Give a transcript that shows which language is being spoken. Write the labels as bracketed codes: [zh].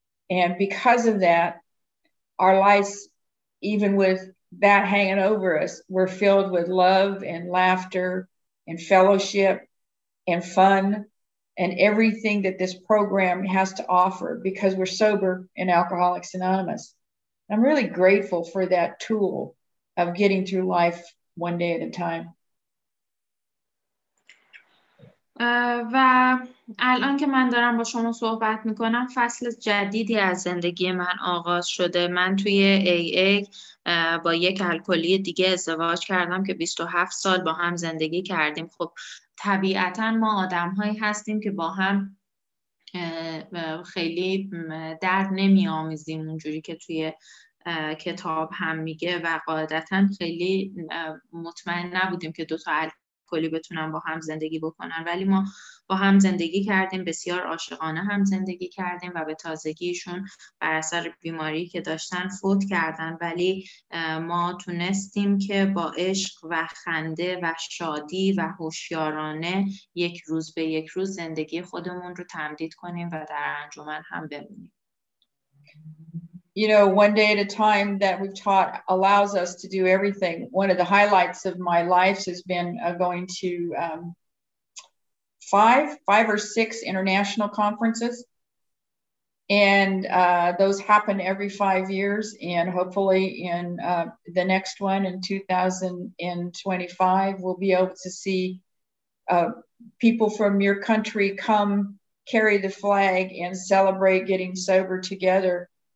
[en] And because of that, our lives, even with that hanging over us, were filled with love and laughter and fellowship and fun and everything that this program has to offer because we're sober in Alcoholics Anonymous. I'm really grateful for that tool of getting through life one day at a time. [fa] و الان که من دارم با شما صحبت میکنم فصل جدیدی از زندگی من آغاز شده. من توی AA با یک الکلی دیگه ازدواج کردم که 27 سال با هم زندگی کردیم. خب طبیعتا ما آدم هایی هستیم که با هم خیلی درد نمی آمیزیم اونجوری که توی کتاب هم میگه و قاعدتا خیلی مطمئن نبودیم که دوتا الکلی کلی بتونن با هم زندگی بکنن، ولی ما با هم زندگی کردیم، بسیار عاشقانه هم زندگی کردیم و به تازگیشون بر اثر بیماری که داشتن فوت کردن، ولی ما تونستیم که با عشق و خنده و شادی و هوشیارانه یک روز به یک روز زندگی خودمون رو تمدید کنیم و در انجمن هم بمونیم. [en] You know, one day at a time that we've taught allows us to do everything. One of the highlights of my life has been going to five or six international conferences. And those happen every 5 years. And hopefully in the next one in 2025, we'll be able to see people from your country come carry the flag and celebrate getting sober together.